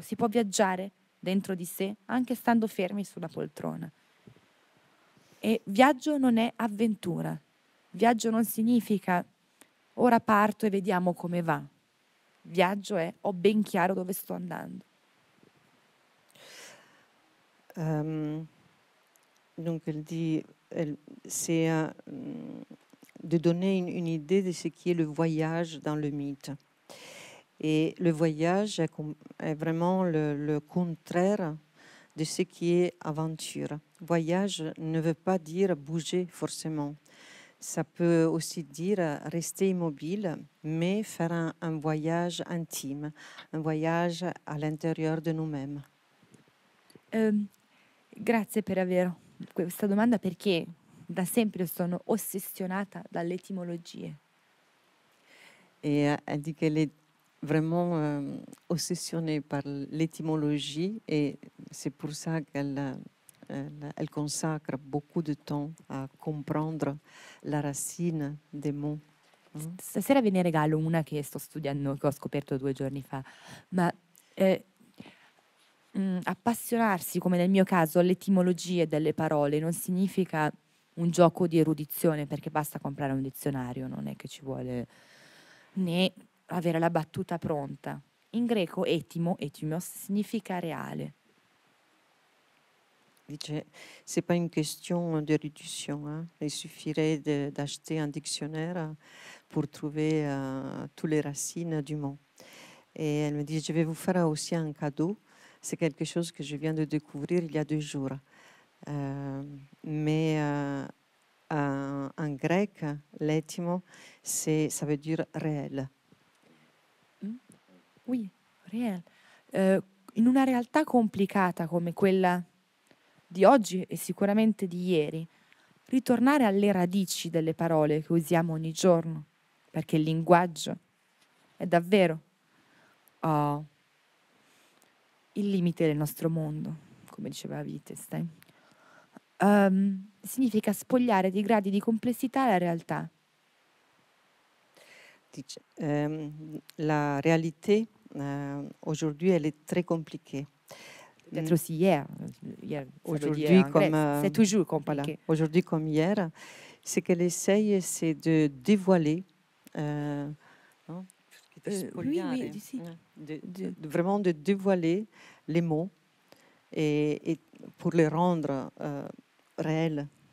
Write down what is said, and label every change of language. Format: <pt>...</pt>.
<it>Si può viaggiare dentro di sé, anche stando fermi sulla poltrona. E viaggio non è avventura. Viaggio non significa ora parto e vediamo come va. Viaggio è ho ben chiaro dove sto andando.</it> <fr>Dunque, c'est de donner une idée de ce qui est le voyage dans le mythe. Et le voyage est vraiment le contraire de ce qui est aventure. Voyage ne veut pas dire bouger forcément. Ça peut aussi dire rester immobile, mais faire un voyage intime, un voyage à l'intérieur de nous-mêmes.</fr> <it>Grazie per avere questa domanda, perché da sempre sono ossessionata dalle etimologie.</it> <fr>E di che le vraiment ossessionée par l'étymologie, et c'est pour ça qu'elle consacre beaucoup de temps à comprendre la racine des mots.</fr> <it>Stasera ve ne regalo una che sto studiando, che ho scoperto due giorni fa, ma appassionarsi, come nel mio caso, all'etimologia delle parole non significa un gioco di erudizione, perché basta comprare un dizionario, non è che ci vuole né avere la battuta pronta. In greco etimo, etimos, significa reale.</it> <fr>Dice, c'est pas une question de réduction, hein? Il suffirait d'acheter un dictionnaire pour trouver toutes les racines du mot. Et elle me dit, je vais vous faire aussi un cadeau, c'est quelque chose que je viens de découvrir il y a deux jours. En grec, l'étimo, ça veut dire réel. Oui, réel.</fr> <it>In una realtà complicata come quella di oggi e sicuramente di ieri, ritornare alle radici delle parole che usiamo ogni giorno, perché il linguaggio è davvero il limite del nostro mondo, come diceva Wittgenstein, significa spogliare di gradi di complessità la realtà. Dice, la realtà</it> <fr>aujourd'hui, elle est très compliquée. Peut-être aussi hier. Aujourd'hui, comme c'est toujours compliqué. Voilà. Aujourd'hui comme hier, ce qu'elle essaye, c'est de dévoiler, vraiment de dévoiler les mots et pour les rendre réels.</fr>